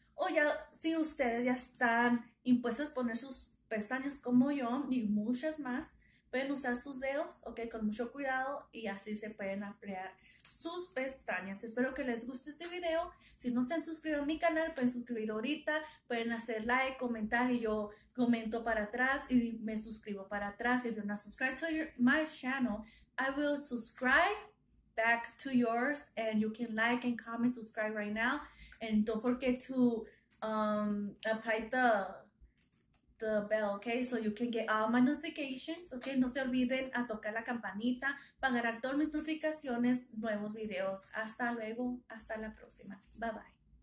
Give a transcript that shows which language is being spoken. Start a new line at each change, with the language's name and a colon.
Spanish: O ya, si ustedes ya están impuestas a poner sus pestañas como yo y muchas más, pueden usar sus dedos, ok, con mucho cuidado y así se pueden ampliar sus pestañas. Espero que les guste este video. Si no se han suscrito a mi canal, pueden suscribir ahorita, pueden hacer like, comentar y yo comento para atrás y me suscribo para atrás.
English: If you're not subscribed to my channel, I will subscribe back to yours and you can like and comment, subscribe right now. And don't forget to apply the bell, okay? So you can get all my notifications, okay?
Spanish: No se olviden a tocar la campanita para ganar todas mis notificaciones, nuevos videos. Hasta luego, hasta la próxima. Bye bye.